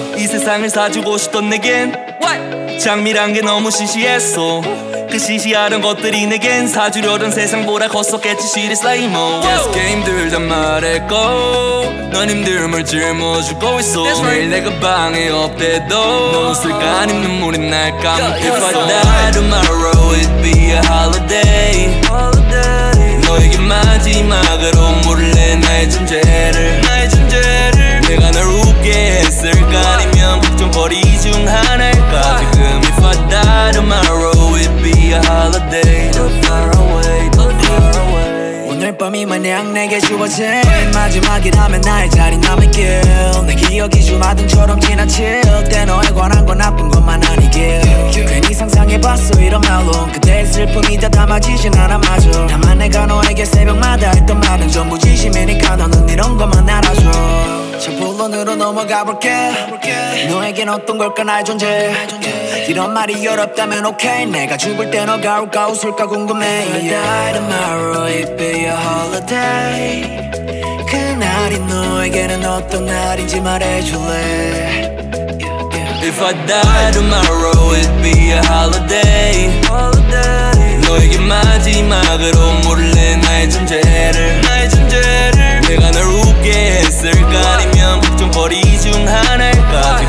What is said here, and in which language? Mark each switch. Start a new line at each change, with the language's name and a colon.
Korean: 이 세상을 사주고 싶던 내겐 장미란 게 너무 시시했어. 그 시시하던 것들이 내겐 사주려던 세상보다 컸었겠지.
English: She is like mo.
Korean: Yes, 게임들 다 말했고 넌 힘듦을 짊어지고 있어. 매일 내가 방에 없대도 너 웃을까 아님 눈물이 날까.
English: If I die tomorrow, it'd be a holiday.
Korean: 너에게 마지막으로 몰래 나의 존재를. 나의 존재를. 내가 널 웃게 했을까 아니면 걱정거리 중 하나일까.
English: 지금 if I die tomorrow, be a holiday. Too far away, too far away.
Korean: 오늘 밤이 만약 내게 주어진 마지막이라면 나의 자리 남을길. 내 기억이 주마등처럼 지나칠 때 너에 관한 건 나쁜 것만 아니길. 괜히 상상해봤어 이런 말로 그대의 슬픔이 다 담아지진 않아 마저. 다만 내가 너에게 새벽마다 했던 말은 전부 진심이니까 너는 이런 것만 알아줘. 자 본론으로 넘어가 볼게. 너에겐 어떤 걸까 나의 존재. 이런 말이 어렵다면 okay. 내가 죽을 때 너가 울까 웃을까 궁금해.
English: If I die tomorrow, it'd be a holiday.
Korean: 그날이 너에게는 어떤 날인지 말해줄래.
English: If I die tomorrow, it'd be a holiday.
Korean: 너에게 마지막으로 몰래 나의 존재를. 나의 존재를. 내가 널 웃게 했을까 아니면 걱정거리 중 하나일까.